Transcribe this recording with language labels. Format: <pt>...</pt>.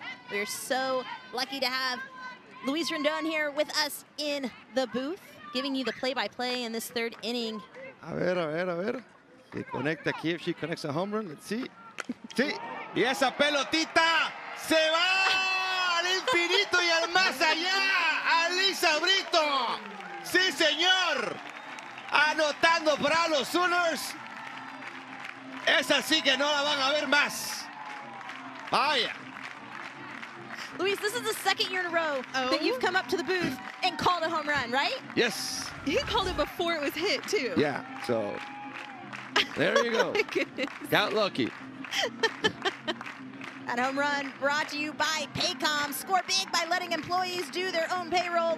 <en>We are so lucky to have Luis Rendon here with us in the booth, giving you the play-by-play in this third inning.</en> <es>A ver, a ver, a ver. Si conecta aquí,</es> <en>if she connects a home run, let's see.</en> <es>Sí. Y esa pelotita se va al infinito y al más allá. Alyssa Brito. Sí, señor. Anotando para los Sooners. Esa sí que no la van a ver más. Vaya.</es> <en>Luis, this is the second year in a row that you've come up to the booth and called a home run, right? Yes. You called it before it was hit, too. Yeah, so there you go. Oh, my goodness. Got lucky. That home run brought to you by Paycom. Score big by letting employees do their own payroll.</en>